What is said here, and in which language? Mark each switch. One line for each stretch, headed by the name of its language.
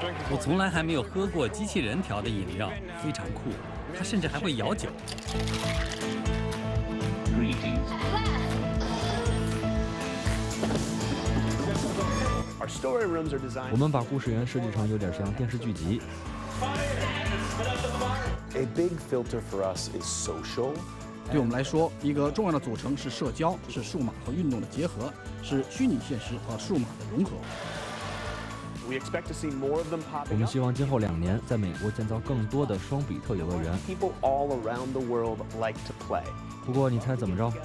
Chinese: 我从来还没有喝过机器人调的饮料，非常酷，它甚至还会摇酒。我们把故事园设计成有点像电视剧集。
English: A big filter for us is social.
Chinese: 对我们来说，一个重要的组成是社交，是数码和运动的结合，是虚拟现实和数码的融合。我们希望今后两年在美国建造更多的双比特游乐园。不过你猜怎么着？